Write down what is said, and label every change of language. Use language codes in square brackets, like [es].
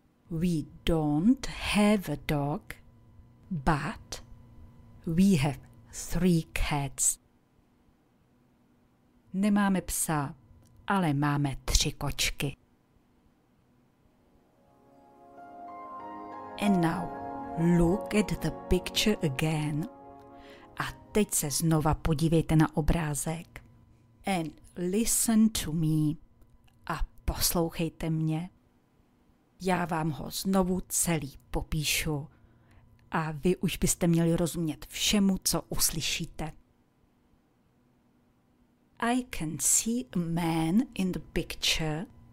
[en] We don't have a dog, but we have 3 cats. [cs] Nemáme psa, ale máme 3 kočky. [en] And now, look at the picture again. [cs] A teď se znova podívejte na obrázek. [en] And listen to me. [cs] A poslouchejte mě. Já vám ho znovu celý popíšu. A vy už byste měli rozumět všemu, co uslyšíte. [en] I can see a man in the picture.